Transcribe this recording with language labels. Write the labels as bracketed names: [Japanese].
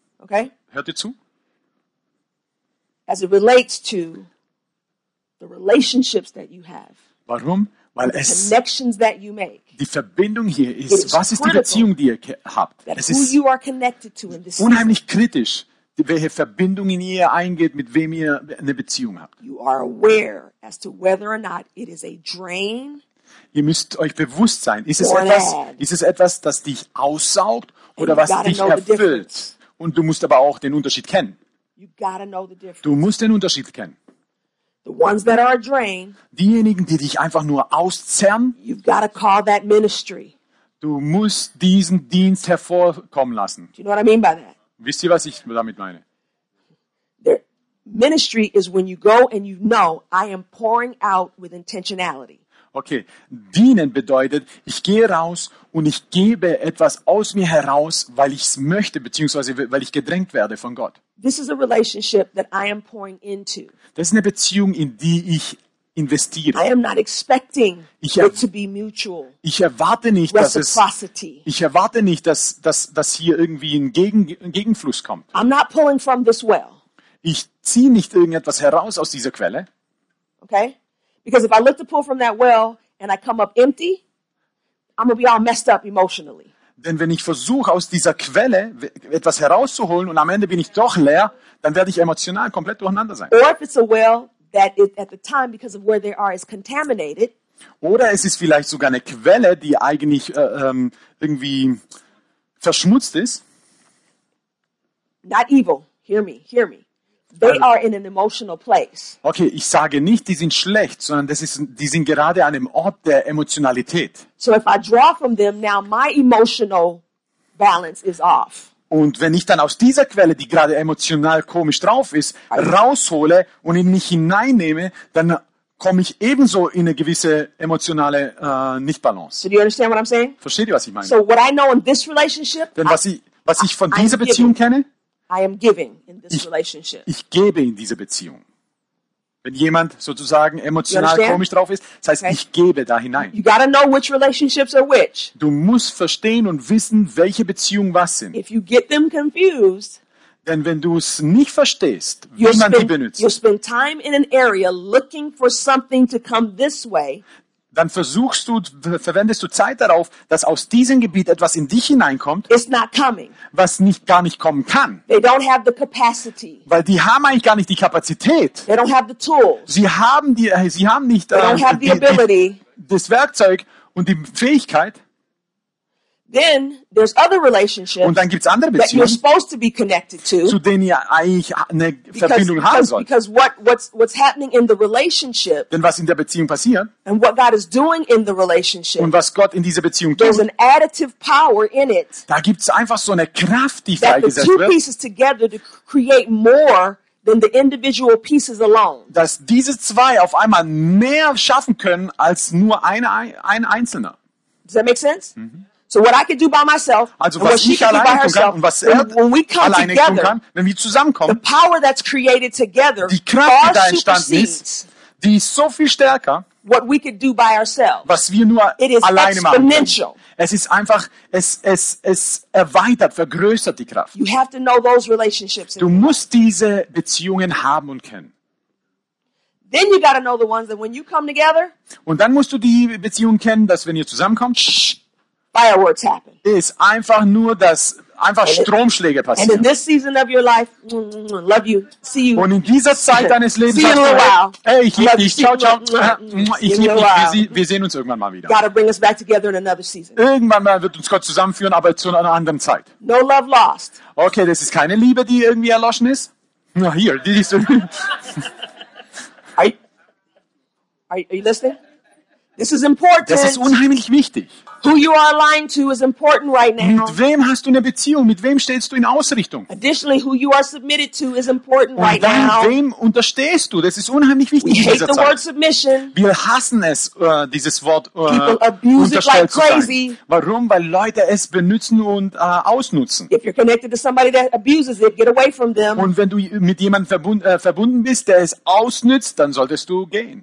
[English] Okay? [German] Hört ihr zu? [English] As it relates to the relationships that you have. [German] Warum? Weil es [English] connections that you make. [German] Die Verbindung hier ist, was ist die Beziehung, die ihr habt? Es ist unheimlich kritisch, welche Verbindung in ihr eingeht, mit wem ihr eine Beziehung habt. [English] You are aware as to whether or not it is a drain. [German] Ihr müsst euch bewusst sein, ist es etwas, das dich aussaugt oder was dich erfüllt? Und du musst aber auch den Unterschied kennen. Du musst den Unterschied kennen. [English] The ones that are drained, [German] diejenigen, die dich einfach nur auszerren, [English] you've got to call that ministry. [German] Du musst diesen Dienst hervorkommen lassen. [English] Do you know what I mean by that? [German] Wisst ihr, was ich damit meine? [English] The ministry is when you go and you know I am pouring out with intentionality. [German] Okay, dienen bedeutet, ich gehe raus und ich gebe etwas aus mir heraus, weil ich es möchte, beziehungsweise weil ich gedrängt werde von Gott. [English] This is a relationship that I am pouring into. [German] Das ist eine Beziehung, in die ich investiere. [English] I am not expecting it to be mutual. [German] Ich erwarte nicht, dass hier irgendwie ein Gegenfluss kommt. [English] I'm not pulling from this well. [German] Ich ziehe nicht irgendetwas heraus aus dieser Quelle. [English] Okay? Because if I look to pull from that well and I come up empty, I'm gonna be all messed up emotionally. [German] Denn wenn ich versuche, aus dieser Quelle etwas herauszuholen und am Ende bin ich doch leer, dann werde ich emotional komplett durcheinander sein. [English] Or if it's a well that is at the time because of where they are is contaminated. [German] Oder es ist vielleicht sogar eine Quelle, die eigentlich irgendwie verschmutzt ist. [English] Not evil. Hear me. They are in an emotional place. [German] Okay, ich sage nicht, die sind schlecht, sondern die sind gerade an einem Ort der Emotionalität. [English] So if I draw from them, now my emotional balance is off. [German] Und wenn ich dann aus dieser Quelle, die gerade emotional komisch drauf ist, raushole und in mich hineinnehme, dann komme ich ebenso in eine gewisse emotionale Nichtbalance. [English] So do you understand what I'm saying? [German] Versteht ihr, was ich meine? [English] So what I know in this relationship, [German] denn was ich von dieser Beziehung kenne, [English] I am giving in this relationship. [German] Ich gebe in dieser Beziehung. Wenn jemand sozusagen emotional komisch drauf ist, das heißt, okay, ich gebe da hinein. [English] You gotta know which relationships are which. [German] Du musst verstehen und wissen, welche Beziehungen was sind. [English] If you get them confused, [German] denn wenn du es nicht verstehst, wie man die benutzt, [English] you'll spend time in an area looking for something to come this way. [German] Dann versuchst du, verwendest du Zeit darauf, dass aus diesem Gebiet etwas in dich hineinkommt, was nicht gar nicht kommen kann. [English] They don't have the capacity. [German] Weil die haben eigentlich gar nicht die Kapazität. [English] They don't have the tools. [German] Sie haben nicht [English] They don't have the ability. [German] Das Werkzeug und die Fähigkeit. [English] Then there's other relationships, [German] und dann gibt's andere Beziehungen, [English] that you're supposed to be connected to, [German] zu denen ihr eigentlich eine Verbindung haben sollt. [English] Because what's happening in the relationship, [German] denn was in der Beziehung passiert, [English] and what God is doing in the relationship, [German] und was Gott in dieser Beziehung [English] there's [German] tut, [English] an additive power in it, [German] da gibt's einfach so eine Kraft, die [English] that [German] freigesetzt [English] the two [German] wird, [English] pieces together to create more than the individual pieces alone. [German] Dass diese zwei auf einmal mehr schaffen können als nur ein Einzelner. [English] Does that make sense? Mm-hmm. So what I could do by myself, [German] also was [English] and what [German] ich alleine tun kann und was er [English] when we come [German] alleine [English] together, [German] tun kann, wenn wir zusammenkommen, [English] the power that's created together, [German] die Kraft, die da entstanden ist, die ist so viel stärker, [English] what we could do by ourselves, [German] was wir nur alleine [English] exponential. [German] Machen können. Es ist einfach, es erweitert, vergrößert die Kraft. [English] You have to know those relationships. [German] Du musst diese Beziehungen haben und kennen. [English] Then you gotta know the ones that when you come together, [German] und dann musst du die Beziehungen kennen, dass wenn ihr zusammenkommt, [English] fireworks happen. [German] Ist einfach nur, dass einfach Stromschläge passieren. [English] And in this season of your life, love you, see you. [German] Und in dieser Zeit deines Lebens, [English] see you in a little while. [German] Hey, ich liebe dich. Ciao, ciao. Ich liebe dich. Wir sehen uns irgendwann mal wieder. [English] God will bring us back together in another season. [German] Irgendwann mal wird uns Gott zusammenführen, aber zu einer anderen Zeit. [English] No love lost. [German] Okay, das ist keine Liebe, die irgendwie erloschen ist. Na hier, die ist. [English] Are you listening? This is important. [German] Das ist unheimlich wichtig. [English] Who you are aligned to is important right now. [German] Mit wem hast du eine Beziehung? Mit wem stellst du in Ausrichtung? [English] Additionally, who you are submitted to is important [German] und [English] right now. [German] Wem unterstehst du? Das ist unheimlich wichtig. [English] We hate [German] Zeit. [English] The word submission. [German] Wir hassen es, dieses Wort unterstellt like zu sein. [English] Crazy. [German] Warum? Weil Leute es benutzen und ausnutzen. [English] If you're connected to somebody that abuses it, get away from them. [German] Und wenn du mit jemandem verbunden bist, der es ausnutzt, dann solltest du gehen.